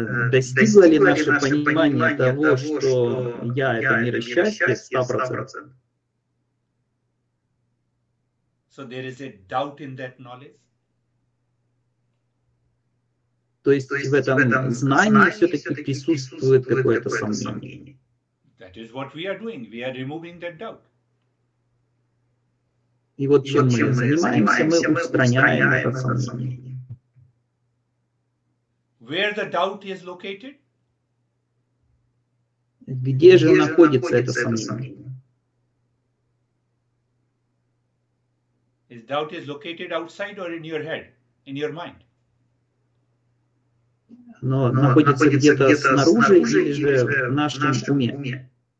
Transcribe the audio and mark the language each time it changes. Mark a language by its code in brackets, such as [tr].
[ru] Достигло ли наше понимание того, что я — это мир счастья, 100%? [en] So there is a doubt in that knowledge? [ru] То есть в этом знании все-таки присутствует какое-то сомнение? [en] That is what we are doing. We are removing that doubt. [ru] И вот чем мы занимаемся, мы устраняем это сомнение. [en] Where the doubt is located? [ru] Где же находится это сомнение? [en] Is doubt is located outside or in your head, in your mind? [ru] Но находится где-то снаружи или же в нашем уме?